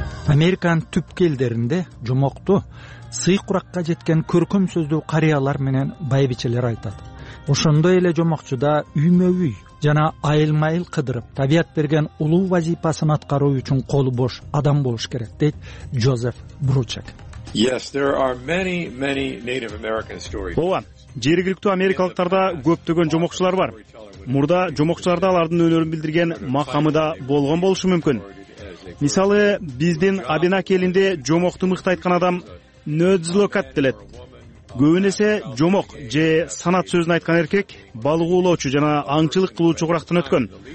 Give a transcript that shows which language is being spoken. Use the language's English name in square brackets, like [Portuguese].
[Kyrgyz] Американ түпкелдеринде жомокту сый куракка жеткен көркөм сөздүү карыялар менен байбичелер айтат. Ошондой эле жомокчуда үймө-үй жана айылма-айыл кыдырып табият берген улуу вазифасын аткаруу үчүн колу бош адам болуш керек, дейт Жозеф Бручек. [English] Yes, there are many, many Native American stories. [Kyrgyz] Ооба, жергиликтүү америкалыктарда көптөгөн жомокчулар бар. Мурда жомокчуларда алардын өнөрүн билдирген макамы да болгон болушу мүмкүн. Мисалы, биздин Абинаки элинде жомокту мыкты айткан адам нөдзлокат делет. Көбүнесе жомок же санат сөзүн айткан эркек балык уулоочу жана аңчылык кылуучу курактан өткөн.